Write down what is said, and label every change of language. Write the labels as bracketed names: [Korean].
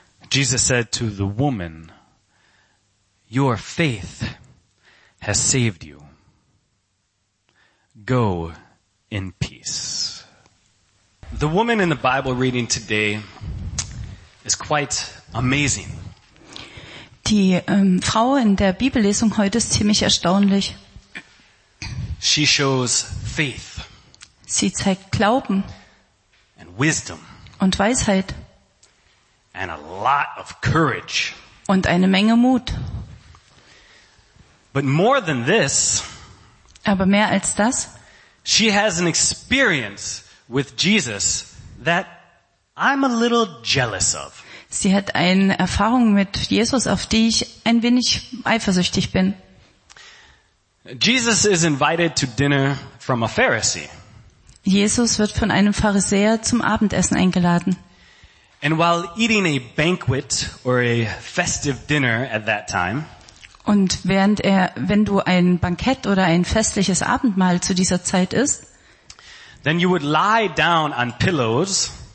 [English] Jesus said to the woman, "Your faith has saved you. Go in peace." The woman in the Bible reading today is quite amazing. [German] Die Frau in der Bibellesung heute ist ziemlich erstaunlich. [English] She shows faith. [German] Sie zeigt Glauben. [English] And wisdom. [German] Und Weisheit. [English] And a lot of courage. [German] Und eine Menge Mut. [English] But more than this, [German] aber mehr als das, [English] she has an experience with Jesus that I'm a little jealous of. [German] Sie hat eine Erfahrung mit Jesus, auf die ich ein wenig eifersüchtig bin. [English] Jesus is invited to dinner from a Pharisee. [German] Jesus wird von einem Pharisäer zum Abendessen eingeladen. [English] And while eating a banquet or a festive dinner at that time, [German] und während er, wenn du ein Bankett oder ein festliches Abendmahl zu dieser Zeit isst, [English] then you would lie down on pillows,